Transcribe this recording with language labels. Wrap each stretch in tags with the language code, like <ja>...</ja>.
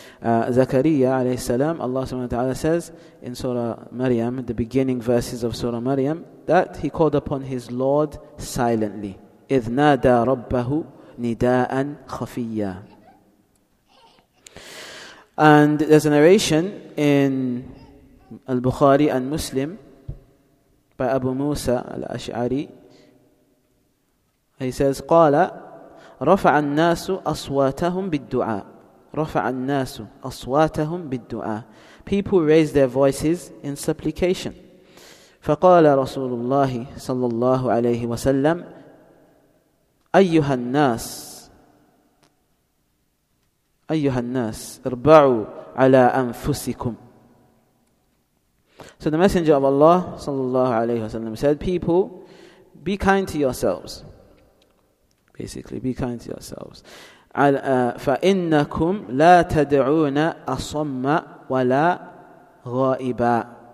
<en>Zakariya alayhi salam, Allah subhanahu wa ta'ala says in Surah Maryam, the beginning verses of Surah Maryam, that he called upon his Lord silently.</en> <ar>إِذْ نَادَى رَبَّهُ نِدَاءً خَفِيًّا.</ar> <en>And there's a narration in Al-Bukhari and Muslim by Abu Musa al-Ash'ari. He says,</en> <ar>قَالَ رفع الناس أصواتهم بالدعاء رفع الناس أصواتهم بالدعاء.</ar> <en>People raised their voices in supplication.</en> <ar>فقال رسول الله صلى الله عليه وسلم أيها الناس أيها الناس اربعوا على أنفسكم.</ar> <en>So the messenger of Allah</en> <ar>صلى الله عليه وسلم</ar> <en>said, people, be kind to yourselves. Basically, be kind to yourselves.</en> <ar>فَإِنَّكُمْ لَا تَدْعُونَ أَصَمَّ وَلَا غَائِبًا.</ar>